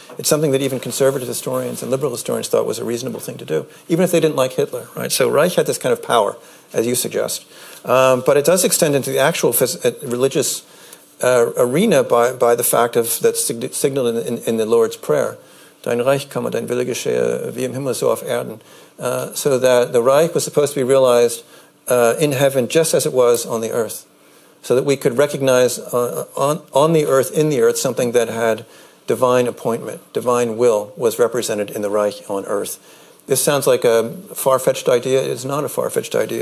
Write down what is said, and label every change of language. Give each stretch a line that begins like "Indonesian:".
English: It's something that even conservative historians and liberal historians thought was a reasonable thing to do, even if they didn't like Hitler, right? So Reich had this kind of power, as you suggest. But it does extend into the actual religious arena by the fact of that signaled in the Lord's Prayer.
German: Dein Reich komme, dein Wille geschehe, wie im Himmel so auf Erden.
English: So that the Reich was supposed to be realized in heaven just as it was on the earth, so that we could recognize on the earth, in the earth, something that had divine appointment, divine will was represented in the Reich on earth. This sounds like a far-fetched idea. It's not a far-fetched idea.